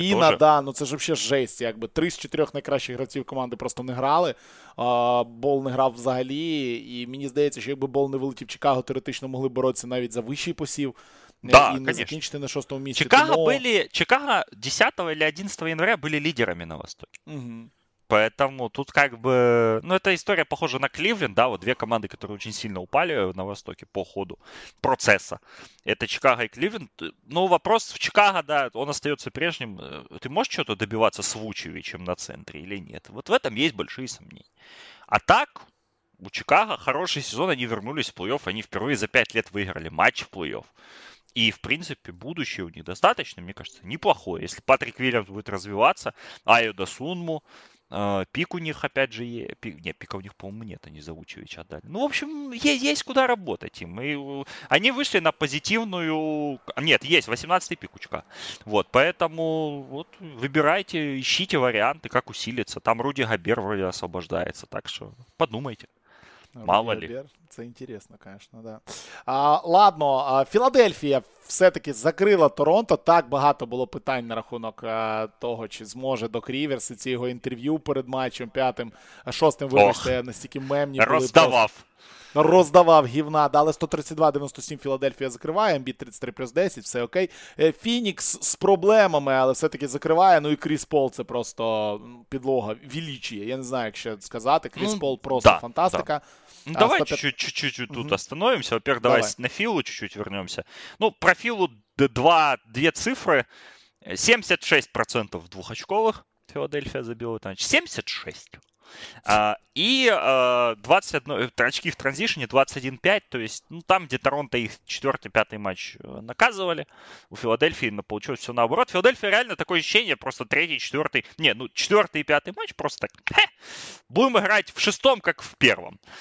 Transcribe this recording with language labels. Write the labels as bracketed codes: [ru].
[uk] Без Лавіна, да, ну це ж взагалі жесть, якби три з чотирьох найкращих гравців команди просто не грали. Бол не грав взагалі, і мені здається, що якби Бол не вилетів в Чикаго, теоретично могли боротися навіть за вищий посів. Да, і не закінчити на шостому місці. Чикаго, тому... були... Чикаго 10 або 11 января були лідерами на Востокі. Угу. [ru] Поэтому тут как бы... Ну, эта история похожа на Кливленд, да, вот две команды, которые очень сильно упали на Востоке по ходу процесса. Это Чикаго и Кливленд. Ну, вопрос в Чикаго, да, он остается прежним. Ты можешь что-то добиваться с Вучевичем на центре или нет? Вот в этом есть большие сомнения. А так, у Чикаго хороший сезон, они вернулись в плей-офф, они впервые за 5 лет выиграли матч в плей-офф. И, в принципе, будущее у них достаточно, мне кажется, неплохое. Если Патрик Вильямс будет развиваться, Айо Досунму... пик у них, опять же, пика у них, по-моему, нет, они за Вучевича отдали. Ну, в общем, есть куда работать им. И, они вышли на позитивную... Нет, есть, 18-й пик у Чика. Вот, поэтому вот, выбирайте, ищите варианты, как усилиться. Там Руди Гобер вроде освобождается, так что подумайте. Мало ли. [uk] Це інтересно, звісно, да. Ладно, Філадельфія все-таки закрила Торонто. Так багато було питань на рахунок того, чи зможе Док Ріверс і ці його інтерв'ю перед матчем п'ятим, шостим, вибачте, настільки мемні були. Роздавав. Роздавав гівна, але 132-97 Філадельфія закриває, МБ 33+10, все окей. Фінікс з проблемами, але все-таки закриває, ну і Кріс Пол це просто підлога, величіє, я не знаю, як ще сказати, Кріс Пол просто фантастика. [ru] Ну, давай чуть-чуть тут остановимся, во-первых, давай на Філу чуть-чуть вернемся. [uk] Ну, про Філу дві цифри, 76% двухочкових Філадельфія забила, 76%. [ru] И 21 очки в транзишне, 21-5, то есть ну, там, где Торонто их 4-5 матч наказывали, у Филадельфии получилось все наоборот. Филадельфия реально такое ощущение, просто 3-4, не, ну 4-5 матч просто так, будем играть в шестом, как в первом.